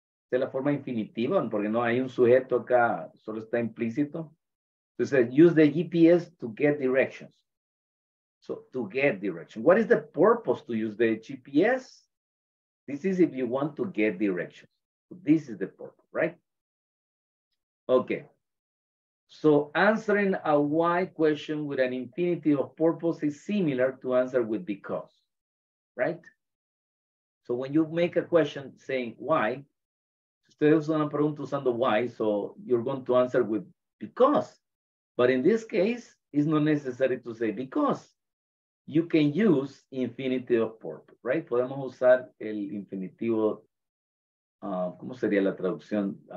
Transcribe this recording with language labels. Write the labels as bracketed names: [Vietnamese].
[Spanish] De la forma infinitiva, porque no hay un sujeto acá, solo está implícito. [English] It says, use the GPS to get directions. So to get directions. What is the purpose to use the GPS? This is if you want to get directions. So this is the purpose, right? Okay. So answering a why question with an infinitive of purpose is similar to answer with because, right? So when you make a question saying why, [Spanish] ustedes van a preguntar usando [English] why, so you're going to answer with because. But in this case, it's not necessary to say because. You can use infinitive of purpose, right? [Spanish] Podemos usar el infinitivo, ¿cómo sería la traducción?